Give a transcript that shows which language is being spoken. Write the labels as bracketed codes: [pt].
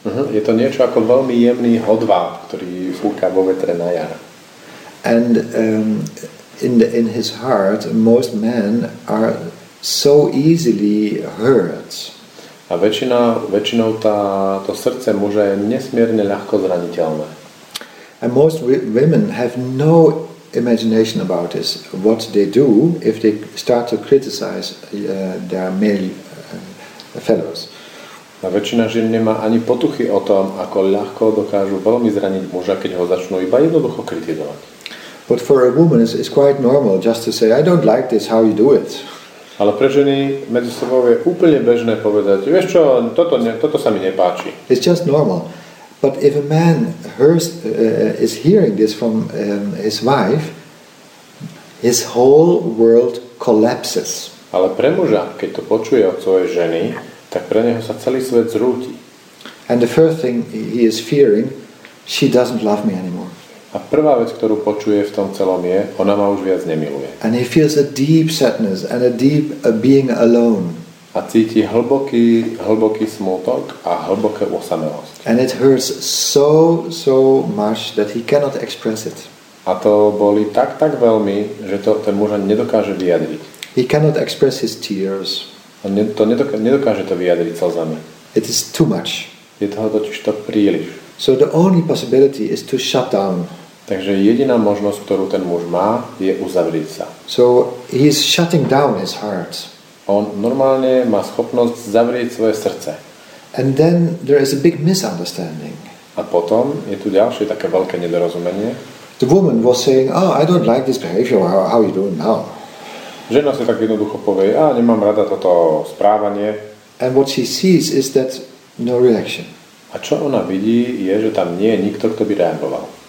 [sk] Je to niečo ako veľmi jemný hodváb, ktorý fúka vo vetre na jar. [en] And in his heart, most men are so easily hurt. [sk] A väčšinou to srdce muža je nesmierne ľahko zraniteľné. [en] And most women have no imagination about this, what they do if they start to criticize their male fellows. [sk] A väčšina žien nemá ani potuchy o tom, ako ľahko dokážu veľmi zraniť muža, keď ho začnú iba jednoducho kritizovať. [en] But for a woman it's quite normal just to say I don't like this how you do it. [sk] Ale pre ženy medzi sebou je úplne bežné povedať, vieš čo, toto sa mi nepáči. [en] It's just normal. But if a man is hearing this from his wife, his whole world collapses. [sk] Ale pre muža, keď to počuje od svojej ženy, tak pre neho sa celý svet zrúti. [en] And the first thing he is fearing, she doesn't love me anymore. [sk] A prvá vec, ktorú počuje v tom celom je, ona ma už viac nemiluje. [en] And he feels a deep sadness and a deep being alone. [sk] A cíti hlboký smútok a hlbokú osamelosť. [en] And it hurts so much that he cannot express it. [sk] A to bolí tak veľmi, že to ten muž nedokáže vyjadriť. [en] He cannot express his tears. [sk] On to nedokáže to vyjadriť slzami. [en] It is too much. [sk] Je toho totiž to príliš. [en] So the only possibility is to shut down. [sk] Takže jediná možnosť, ktorú ten muž má, je uzavrieť sa. [en] So he is shutting down his heart. [sk] On normálne má schopnosť zavrieť svoje srdce. [en] And then there is a big misunderstanding. [sk] A potom je tu ďalšie také veľké nedorozumenie. [en] The woman was saying, "Oh, I don't like this behavior. How you doing now?" [sk] Žena si tak jednoducho povie, "A nemám rada toto správanie." [en] And what she sees is that no reaction. [sk] A čo ona vidí, je, že tam nie je nikto, kto by reagoval.